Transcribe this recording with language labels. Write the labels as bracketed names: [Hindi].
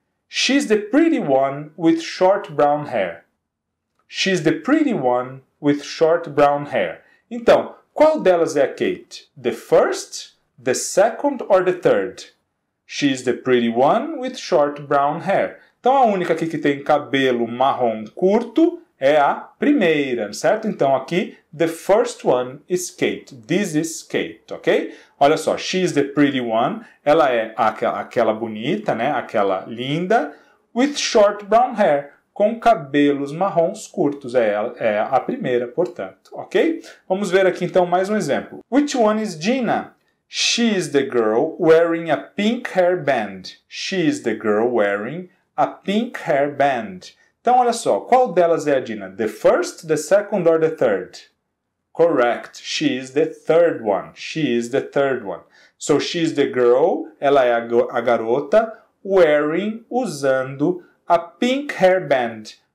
[English] She's the pretty one with short brown hair. She's the pretty one with short brown hair. [Portuguese] Então, qual delas é a Kate? [English] The first, the second or the third? She's the pretty one with short brown hair. [Portuguese] Então, a única aqui que tem cabelo marrom curto é a primeira, certo? Então, aqui, [English] the first one is Kate. This is Kate, ok? [Portuguese] Olha só, [English] she's the pretty one. [Portuguese] Ela é aquela bonita, né? Aquela linda. [English] With short brown hair. [Portuguese] Com cabelos marrons curtos. É a primeira, portanto, ok? Vamos ver aqui, então, mais um exemplo. [English] Which one is Gina? She's the girl wearing a pink hair band. She's the girl wearing a pink hair band. [Portuguese] Então, olha só, qual delas é a Gina? [English] The first, the second or the third? Correct, she is the third one. She is the third one. So, she is the girl, [Portuguese] ela é a garota, [English] wearing, [Portuguese] usando [English] a pink hair band.